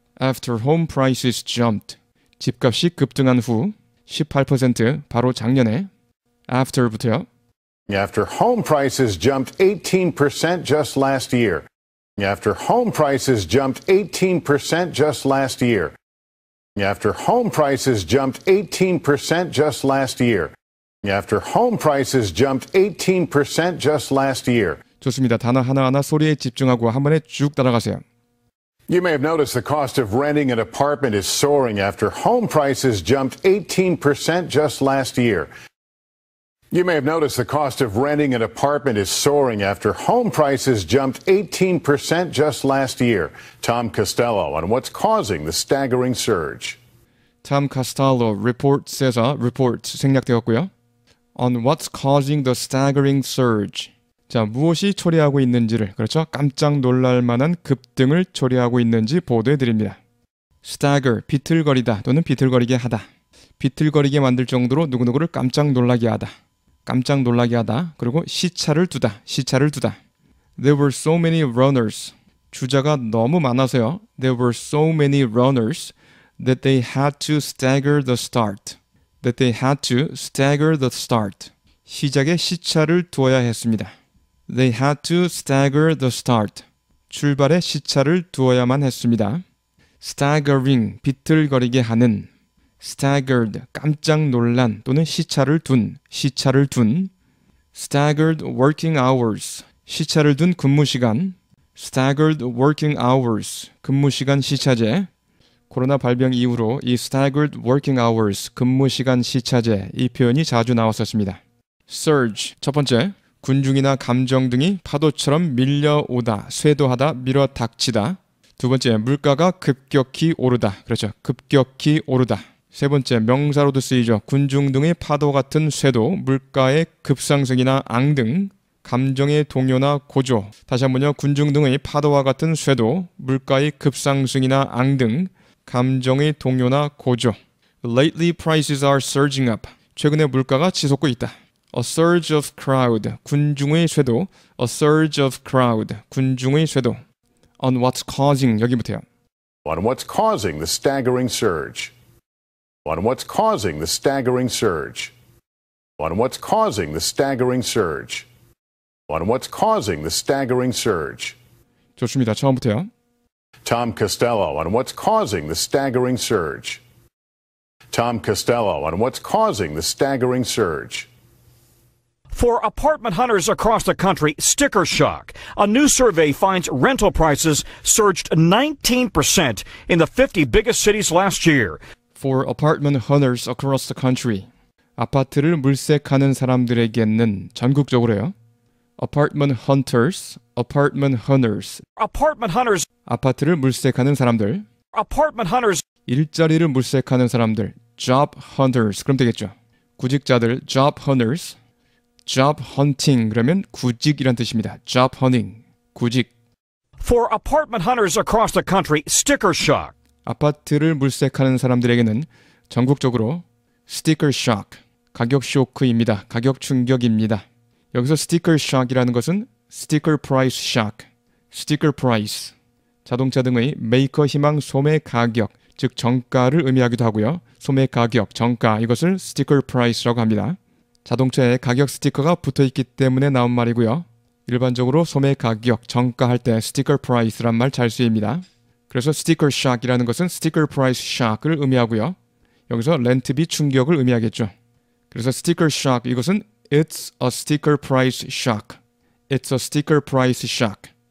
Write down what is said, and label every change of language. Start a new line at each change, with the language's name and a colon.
English: After home prices jumped.
Korean: 집값이 급등한 후 18% 바로 작년에. After부터요.
English: After home prices jumped 18% just last year. After home prices jumped 18% just last year. After home prices jumped 18% just last year. After home prices jumped 18% just last year.
Korean: 좋습니다. 단어 하나하나 소리에 집중하고 한 번에 쭉 따라가세요.
English: You may have noticed the cost of renting an apartment is soaring after home prices jumped 18% just last year. You may have noticed the cost of renting an apartment is soaring after home prices jumped 18% just last year. Tom Costello on what's causing the staggering surge.
Korean: Tom Costello reports 생략되었고요.
English: On what's causing the staggering surge.
Korean: 자, 무엇이 초래하고 있는지를, 그렇죠? 깜짝 놀랄 만한 급등을 초래하고 있는지 보도해 드립니다. Stagger, 비틀거리다 또는 비틀거리게 하다. 비틀거리게 만들 정도로 누구누구를 깜짝 놀라게 하다. 깜짝 놀라게 하다. 그리고 시차를 두다. 시차를 두다.
English: There were so many runners.
Korean: 주자가 너무 많아서요.
English: There were so many runners that they had to stagger the start. That they had to stagger the start.
Korean: 시작에 시차를 두어야 했습니다.
English: They had to stagger the start.
Korean: 출발에 시차를 두어야만 했습니다. Staggering, 비틀거리게 하는. Staggered, 깜짝 놀란 또는 시차를 둔, 시차를 둔. Staggered working hours, 시차를 둔 근무 시간. Staggered working hours, 근무 시간 시차제. 코로나 발병 이후로 이 staggered working hours, 근무 시간 시차제 이 표현이 자주 나왔었습니다. Surge, 첫 번째, 군중이나 감정 등이 파도처럼 밀려오다, 쇄도하다, 밀어닥치다. 두 번째, 물가가 급격히 오르다. 그렇죠. 급격히 오르다. 세 번째, 명사로도 쓰이죠. 군중 등의 파도 같은 쇄도, 물가의 급상승이나 앙등, 감정의 동요나 고조. 다시 한 번요. 군중 등의 파도와 같은 쇄도, 물가의 급상승이나 앙등, 감정의 동요나 고조.
English: Lately prices are surging up.
Korean: 최근에 물가가 치솟고 있다.
English: A surge of crowd.
Korean: 군중의 쇄도.
English: A surge of crowd. 군중의 쇄도. On what's causing. 여기부터요. On what's causing the staggering surge. On what's causing the staggering surge. On what's causing the staggering surge. On what's causing the staggering surge.
Korean: 좋습니다. 처음부터요.
English: Tom Costello on what's causing the staggering surge. Tom Costello on what's causing the staggering surge. For apartment hunters across the country, sticker shock. A new survey finds rental prices surged 19% in the 50 biggest cities last year. For apartment hunters across the country.
Korean: 아파트를 물색하는 사람들에게는 전국적으로요.
English: Apartment hunters, apartment hunters. Apartment hunters.
Korean: 아파트를 물색하는 사람들.
English: Apartment hunters.
Korean: 일자리를 물색하는 사람들.
English: Job hunters.
Korean: 그럼 되겠죠. 구직자들.
English: Job hunters. Job hunting.
Korean: 그러면 구직이란 뜻입니다.
English: Job hunting. 구직. For apartment hunters across the country, sticker shock.
Korean: 아파트를 물색하는 사람들에게는 전국적으로 sticker shock. 가격 쇼크입니다. 가격 충격입니다. 여기서 sticker shock이라는 것은 sticker price shock. sticker price. 자동차 등의 메이커 희망 소매 가격, 즉 정가를 의미하기도 하고요. 소매 가격, 정가, 이것을 sticker price라고 합니다. 자동차에 가격 스티커가 붙어있기 때문에 나온 말이고요. 일반적으로 소매 가격, 정가 할 때 sticker price란 말 잘 쓰입니다. 그래서 sticker shock이라는 것은 sticker price shock을 의미하고요. 여기서 렌트비 충격을 의미하겠죠.
English: 그래서 sticker shock, 이것은 it's a sticker price shock. It's a sticker price shock.